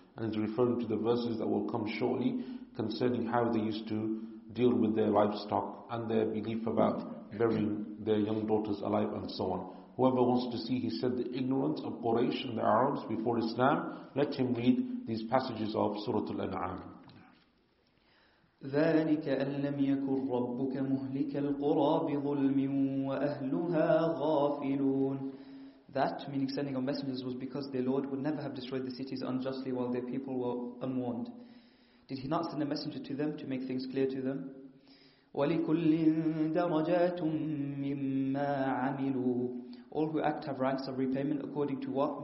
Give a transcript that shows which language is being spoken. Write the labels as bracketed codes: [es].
[en] And he's referring to the verses that will come shortly concerning how they used to deal with their livestock and their belief about burying their young daughters alive and so on. Whoever wants to see, he said, the ignorance of Quraysh and the Arabs before Islam, let him read these passages of Surah Al-An'am. [ar] ذلك أن لم يكن ربك مهلك القرى بظلم وأهلها غافلون. [en] That, meaning sending of messengers, was because their Lord would never have destroyed the cities unjustly while their people were unwarned. Did he not send a messenger to them to make things clear to them? [ar] وَلِكُلٍّ دَرَجَاتٌ مِّمَّا عَمِلُوا. [en] All who act have ranks of repayment according to what?